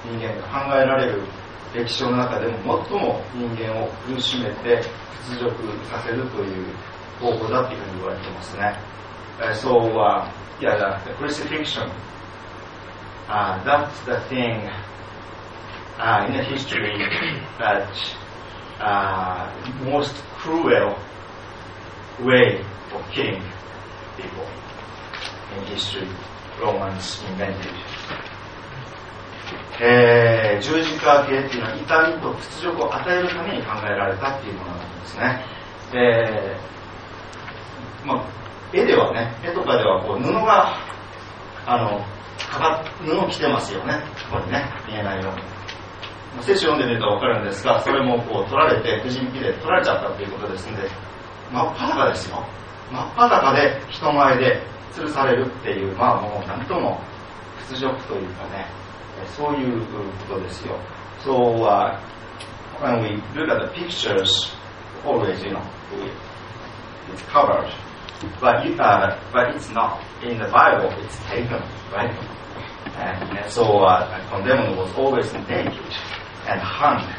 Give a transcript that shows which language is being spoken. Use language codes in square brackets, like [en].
[ja] 人間が考えられる歴史の中でも最も人間を苦しめて屈辱させるという方法だというふうに言われてますね。 [en] So, the crucifixion, that's the thing, in the history that, most cruel way of killing people in history, Romans invented. [ja] 十字架刑というのは痛みと屈辱を与えるために考えられたというものなんですね。で、まあ絵ではね、絵とかではこう布が、布を着てますよね、ここにね、見えないように。聖書を読んでみると分かるんですが、それもこう取られて、くじ引きで取られちゃったということですので、真っ裸ですよ。真っ裸で人前で吊るされるっていう、まあもう何とも屈辱というかね、そういうことですよ。 [en] So, when we look at the pictures, always, you know, it's covered. But it's not in the Bible, it's taken, right? And so a condemned was always naked and hung.